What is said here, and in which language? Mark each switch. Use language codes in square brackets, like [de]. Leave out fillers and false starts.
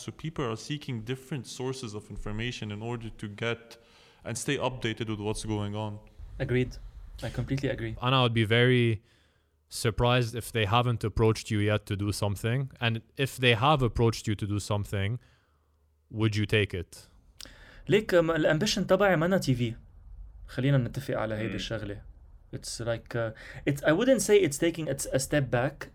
[en] So people are seeking different sources of information in order to get and stay updated with what's going on. Agreed. I completely agree. Anna, I would be very surprised if they haven't approached you yet to do something. And if they have approached you to do something, would you take it? Like, the ambition [ar] تبعي مانا [en] TV. [ar] خلينا نتفق على هيدي الشغلة. [en] It's like, it's, I wouldn't say it's taking a step back.